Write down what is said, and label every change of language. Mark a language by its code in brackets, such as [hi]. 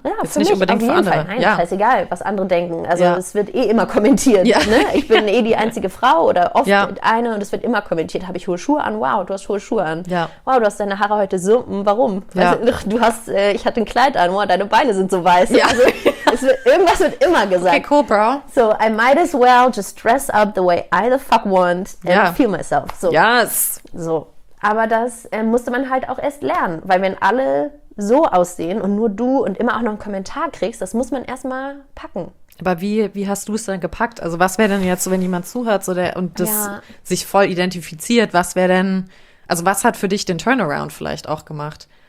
[de] Ja, jetzt für nicht mich, unbedingt auf jeden für andere. Fall. Nein, scheißegal, was andere denken. Also es wird immer kommentiert. Ja. Ne? Ich bin die einzige Frau oder oft eine und es wird immer kommentiert. Habe ich hohe Schuhe an? Wow, du hast hohe Schuhe an. Ja. Wow, du hast deine Haare heute so, warum? Ja. Also, du hast, ich hatte ein Kleid an, wow, deine Beine sind so weiß. Ja. Also, irgendwas wird immer gesagt. [en] Okay, cool, bro. So, I might as well just dress up the way I the fuck want and feel myself. So. Yes. So. [de] Aber das musste man halt auch erst lernen, weil wenn alle so aussehen und nur du und immer auch noch einen Kommentar kriegst, das muss man erstmal packen. Aber wie hast du es dann gepackt? Also was wäre denn jetzt so, wenn jemand zuhört so der, und das sich voll identifiziert, was wäre denn, also was hat für dich den Turnaround vielleicht auch gemacht?